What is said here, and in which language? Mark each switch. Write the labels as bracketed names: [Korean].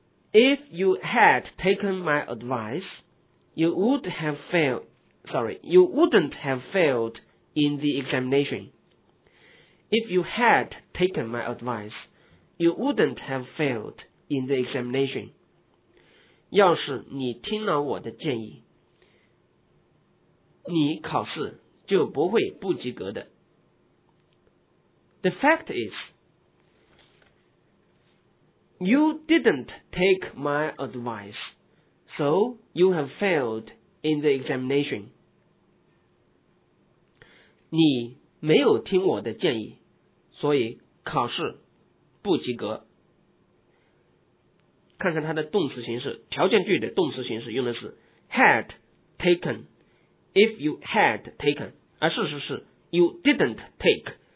[English] If you had taken my advice, you would have failed, sorry, you wouldn't have failed in the examination. If you had taken my advice, you wouldn't have failed in the examination. [Chinese] 要是你听了我的建议，你考试就不会不及格的。 [English] The fact is, you didn't take my advice, so you have failed in the examination. [Chinese] 你没有听我的建议，所以考试不及格。看看它的动词形式，条件句的动词形式用的是 [English] had taken, if you had taken, [Chinese] 而事实是 [English] you didn't take.